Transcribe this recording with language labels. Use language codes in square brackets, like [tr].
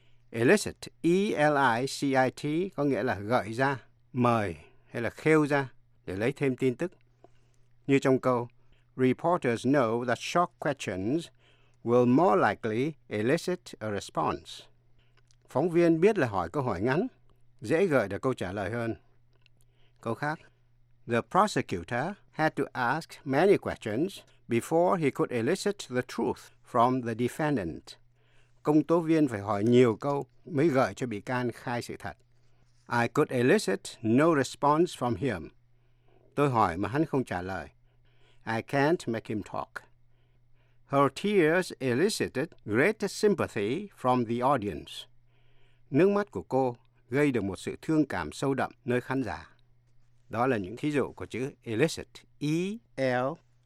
[vi] Illicit, E-L-I-C-I-T, có nghĩa là gợi ra, mời hay là khêu ra để lấy thêm tin tức. Như trong câu, [en] reporters know that short questions will more likely elicit a response. [vi] Phóng viên biết là hỏi câu hỏi ngắn, dễ gợi được câu trả lời hơn. Câu khác, [en] the prosecutor had to ask many questions before he could elicit the truth from the defendant. [vi] Công tố viên phải hỏi nhiều câu mới gợi cho bị can khai sự thật. [en] I could elicit no response from him. [vi] Tôi hỏi mà hắn không trả lời. [en] I can't make him talk. Her tears elicited great sympathy from the audience. [vi] Nước mắt của cô gây được một sự thương cảm sâu đậm nơi khán giả. Đó là những thí dụ của chữ elicit, E-L-I-C-I-T.